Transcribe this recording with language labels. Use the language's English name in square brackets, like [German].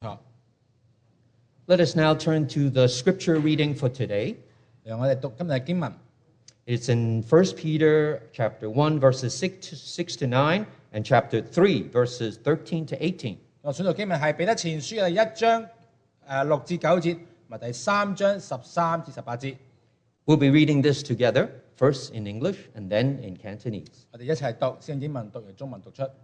[English] Let us now turn to the scripture reading for today. [Chinese] 让我们读今天的经文。 [English] It's in 1 Peter chapter 1, verses 6 to 9, and chapter 3, verses 13 to 18. [Chinese] 我选读经文是彼得前书的一章六至九节，和第三章十三至十八节。 [English] We'll be reading this together, first in English and then in Cantonese. [Chinese] 我们一起读先英文读完中文读出。